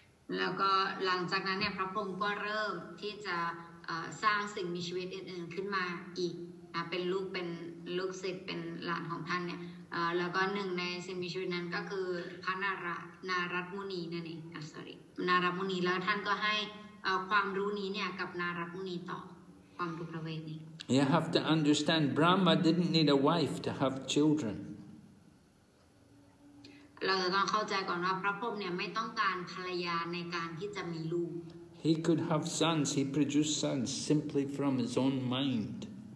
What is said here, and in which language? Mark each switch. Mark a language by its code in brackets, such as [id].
[en] You have to understand, Brahma didn't need a wife to have children. [th] เราต้องเข้าใจก่อนว่าพระพรหมเนี่ยไม่ต้องการภรรยาในการที่จะมีลูก [en] He He could have sons, he produced sons simply from his own mind.